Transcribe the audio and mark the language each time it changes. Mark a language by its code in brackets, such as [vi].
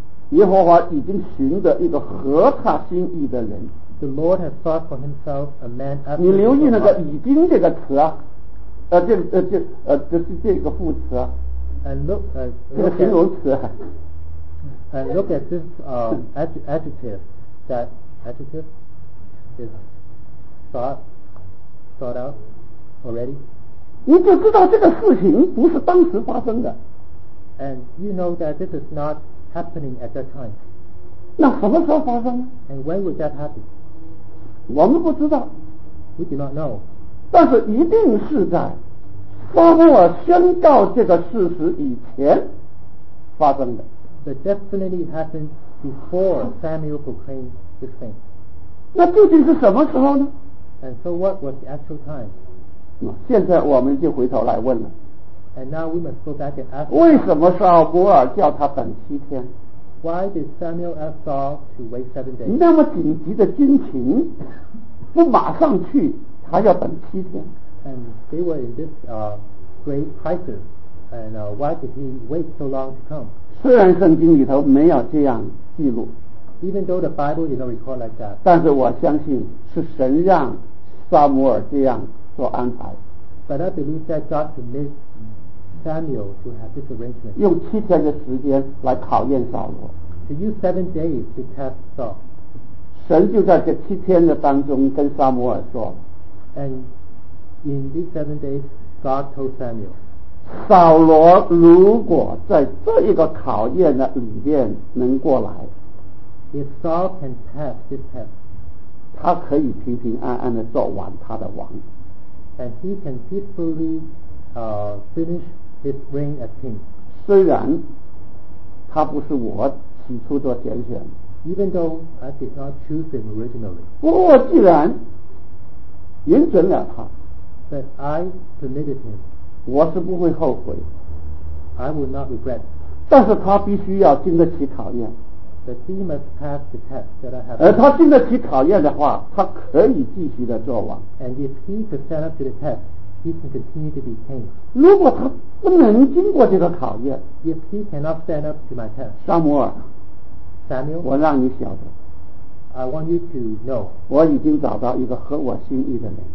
[zh] 耶和华已经寻着一个合他心意的人。 [en] The Lord has sought for himself a man after. [zh] 你留意那个已经这个词啊，这个副词啊。 [en] And look, [zh] 这个形容词。 [en] And look at this adjective. That adjective is sought out already. [zh] 你就知道这个事情不是当时发生的。 [en] And you know that this is not. Happening at that time. [zh] 那什么时候发生？ [en] And when would that happen? [zh] 我们不知道。 [en] We do not know. [zh] 但是一定是在撒母耳宣告这个事实以前发生的。 [en] But definitely happened before Samuel proclaimed this thing. [zh] 那究竟是什么时候呢？ [en] And so what was the actual time? [zh] 现在我们就回头来问了。 [en] And now we must go back and ask. [zh] 为什么撒母耳叫他等七天？ [en] Why did Samuel ask Saul to wait 7 days? [zh] 那么紧急的军情，不马上去，还要等七天？ [en] And they were in this great crisis, and why did he wait so long to come? [zh] 虽然圣经里头没有这样记录， [en] even though the Bible did not record like that, [zh] 但是我相信是神让撒母耳这样做安排。 [en] But I believe that God permitted. [zh] Samuel to have this arrangement. [en] 用七天的时间来考验扫罗。 [zh] To use 7 days to test Saul. [en] 神就在这七天的当中跟撒母耳说。 [zh] And in these 7 days, God told Samuel. 扫罗如果在这一个考验的里面能过来。 [en] If Saul can pass this test, [zh] 他可以平平安安地做完他的王。 [en] And he can peacefully finish his reign as king. [zh] 虽然他不是我起初的拣选。 [en] Even though I did not choose him originally. [zh] 不过我既然允准了他。 [en] But I permitted him. [zh] 我是不会后悔。 [en] I will not regret. [zh] 但是他必须要经得起考验。 [en] But he must pass the test that I have. [zh] 他经得起考验的话，他可以继续的做王。 [en] And if he could stand up to the test, he can continue to be king. [zh] 如果他不能经过这个考验 [en] ，If he cannot stand up to my test, [zh] 撒母耳 [en] ，Samuel， [zh] 我让你晓得 [en] ，I want you to know， [zh] 我已经找到一个合我心意的人。